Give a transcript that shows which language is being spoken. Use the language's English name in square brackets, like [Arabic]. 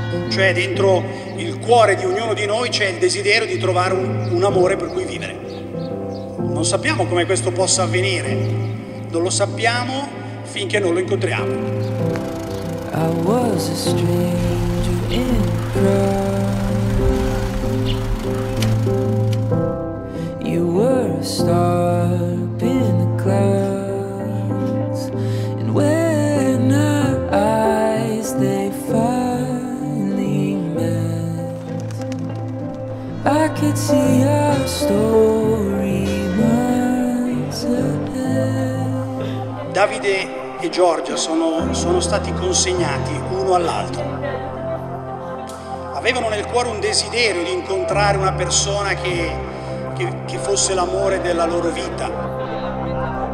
[Italian] cioè dentro il cuore di ognuno di noi c'è il desiderio di trovare un amore per cui vivere. Non sappiamo come questo possa avvenire, non lo sappiamo finché non lo incontriamo. [English] I was a stranger in crowd. You were a star up in the clouds. And when our eyes they finally met, I could see our story miles ahead. [Italian] Davide e Giorgia sono stati consegnati uno all'altro. Avevano nel cuore un desiderio di incontrare una persona che fosse l'amore della loro vita.